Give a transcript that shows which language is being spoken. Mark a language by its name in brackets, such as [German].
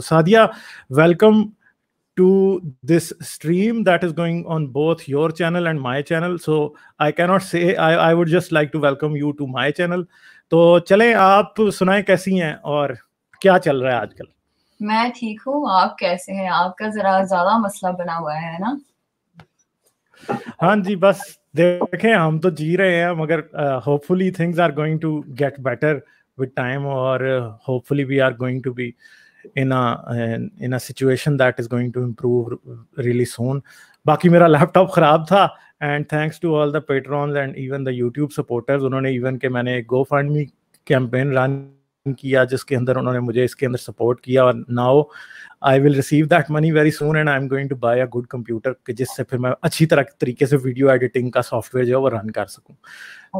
[English] तो Sadiya, welcome to this stream that is going on both your channel and my channel. So I cannot say I would just like to welcome you to my channel. [Hindi] तो चलें, आप सुनाएं कैसी हैं और क्या चल रहा है आजकल? मैं ठीक हूँ, आप कैसे हैं? आपका जरा ज्यादा मसला बना हुआ है ना? हाँ जी, बस देखें, हम तो जी रहे हैं मगर [English] hopefully things are going to get better with time और hopefully we are going to be in a situation that is going to improve really soon। [Hindi] बाकी मेरा लैपटॉप खराब था [English] and thanks to all the patrons and even the YouTube supporters, [Hindi] उन्होंने even के मैंने गो fund मी campaign run किया जिसके अंदर उन्होंने मुझे इसके अंदर सपोर्ट किया और [English] now I will receive that money very soon and I am going to buy a good computer [Hindi] जिससे फिर मैं अच्छी तरह तरीके से वीडियो एडिटिंग का सॉफ्टवेयर जो है वो रन कर सकूं।